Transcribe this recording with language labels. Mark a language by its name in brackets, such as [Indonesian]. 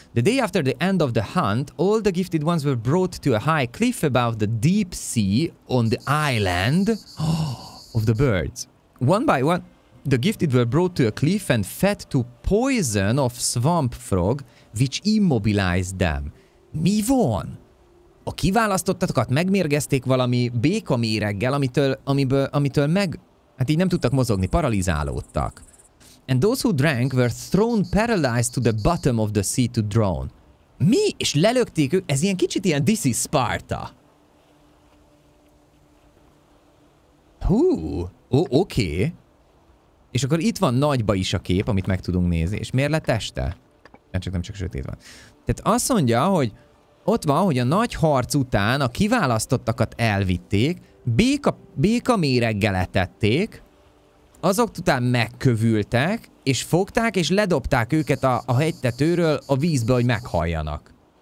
[English] The day after the end of the hunt, all the gifted ones were brought to a high cliff above the deep sea on the island of the birds. One by one, the gifted were brought to a cliff and fed to poison of swamp frog, which immobilized them. [Hungarian] Mi van? a kiválasztottatokat megmérgezték valami békaméreggel, amitől meg, hát így nem tudtak mozogni, paralizálódtak. [English] And those who drank were thrown paralyzed to the bottom of the sea to drown. [Hungarian] Mi? És lelökték ők? Ez ilyen kicsit ilyen [English] This is Sparta. [Hungarian] Hú, oké. És akkor itt van nagyba is a kép, amit meg tudunk nézni. És miért lett este? Nem csak sötét van. Tehát azt mondja, hogy ott van, hogy a nagy harc után a kiválasztottakat elvitték, béka méreggel etették, azok után megkövültek, és fogták, és ledobták őket a hegytetőről a vízbe, hogy meghalljanak.